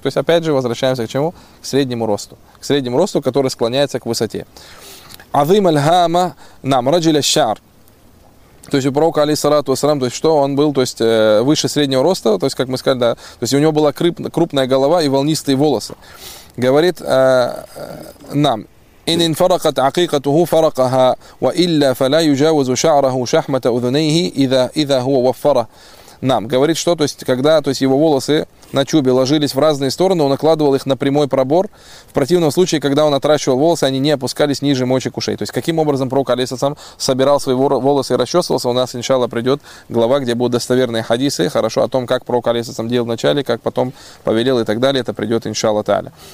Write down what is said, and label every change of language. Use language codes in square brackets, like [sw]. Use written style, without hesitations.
[ru] То есть, опять же, возвращаемся к чему? К среднему росту. К среднему росту, который склоняется к высоте. [ar] Азым аль-хама нам раджиля шар. [ru] То есть у пророка, алейхиссалату ассалям, то есть что он был, то есть выше среднего роста, то есть, как мы сказали, да, то есть у него была крупная голова и волнистые волосы. Говорит нам: [ar] إن انفرقت عقيقته فرقها وإلا فلا يجاوز شعره شحمة أذنيه إذا هو وفره. [ru] Нам говорит, что, то есть, когда, то есть, его волосы на чубе ложились в разные стороны, он накладывал их на прямой пробор. В противном случае, когда он отращивал волосы, они не опускались ниже мочек ушей. То есть, каким образом пророк, алейхиссалям, собирал свои волосы и расчесывался, у нас, иншаллах, придет глава, где будут достоверные хадисы, хорошо, о том, как пророк, алейхиссалям, делал вначале, как потом повелел и так далее, это придет, иншаллах, та'аля.